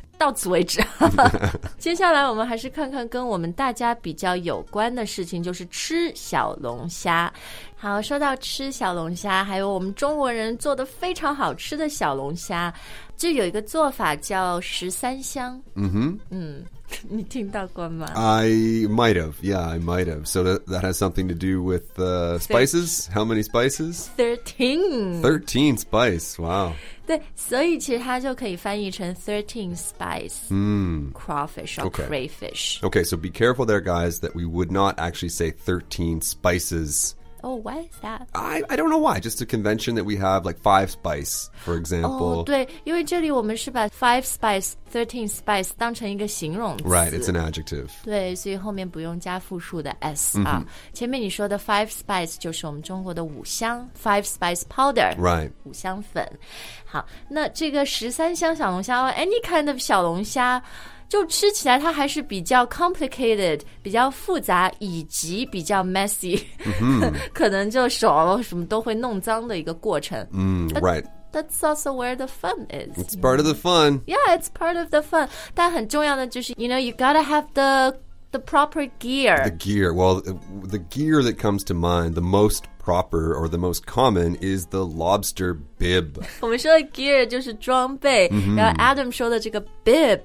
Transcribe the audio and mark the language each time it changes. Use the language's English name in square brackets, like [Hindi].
[Chinese] 到此为止接下来我们还是看看跟我们大家比较有关的事情就是吃小龙虾好说到吃小龙虾还有我们中国人做的非常好吃的小龙虾就有一个做法叫十三香、 mm-hmm. 嗯，你听到过吗 [English] I might have yeah I might have so that has something to do with spices how many spices 13 spice wow [Chinese] 对，所以其实它就可以翻译成 13 spice、 mm. [English] crawfish or、 okay. crayfish. Okay, so be careful there, guys, that we would not actually say 13 spices. Oh, why is that? I don't know why. Just a convention that we have like 5 spice, for example. [Chinese] Oh, 对，因为这里我们是把 5 spice, 13 spice 当成一个形容词。 [English] Right, it's an adjective. [Chinese] 对，所以后面不用加复数的 s、mm-hmm. 啊。前面你说的 5 spice 就是我们中国的五香 5 spice powder. [English] Right. [Chinese] 五香粉。好那这个十三香小龙虾 [English] any kind of [Chinese] 小龙虾就吃起来它还是比较 complicated 比较复杂以及比较 messy、 mm-hmm. 可能就手什么都会弄脏的一个过程、 [English] mm, right that's also where the fun is it's part of the fun yeah it's part of the fun [Chinese] 但很重要的就是 [English] you know you gotta have the proper gear the gear well the gear that comes to mind the mostproper or the most common is the lobster bib. [Chinese] 我们说的 gear 就是装备、mm-hmm. 然后 Adam 说的这个 bib、